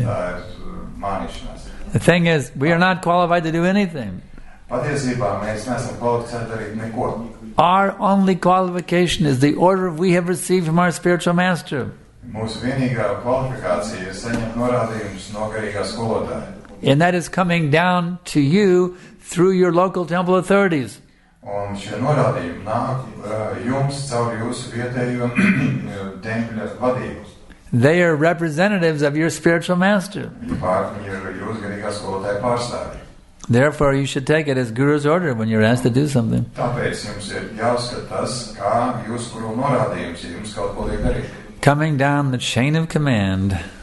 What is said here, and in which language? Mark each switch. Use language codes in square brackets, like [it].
[en] The thing is, we are not qualified to do anything. Our only qualification is the order we have received from our spiritual master. [lv] Mūsu vienīgā kvalifikācija ir saņemt norādījumus no garīgā skolotāja. [en] And that is coming down to you through your local temple authorities. [lv] Un šie norādījumi nāk jums caur jūsu vietējo tempļa vadību. [en] They are representatives of your spiritual master. [lv] Viņi ir jūsu garīgā skolotāja pārstāvji. [en] Therefore, you should take it as guru's order when you're asked to do something. [lv] Tāpēc jums ir jāuzskat tas, kā jūs kuru norādījums, ja jums kaut ko liek darīt. [en] Coming down the chain of command.